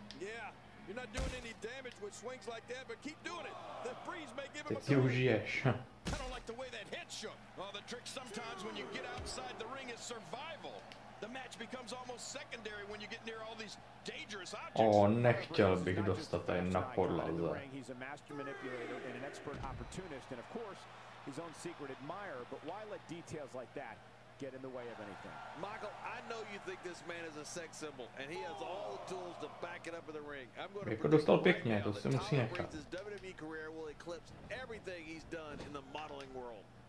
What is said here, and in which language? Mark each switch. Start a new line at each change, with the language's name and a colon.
English: Yeah, you're not doing any damage with swings like that, but keep doing it. The Breeze may give him a push. I don't like the way that head shook. Well, the trick sometimes when you get outside the ring is survival. The match becomes almost secondary when you get near all these dangerous objects.
Czech: Oh, nechtěl bych dostat tady na podlaze.
English: He's a master manipulator and an expert opportunist, and of course, his own secret admirer. But why let details like that get in the way of anything? Michael, I know you think this man is a sex symbol, and he has all the tools to back it up in the ring. I'm going to predict right now that Tyler Breeze's WWE career will eclipse everything he's done in the modeling world.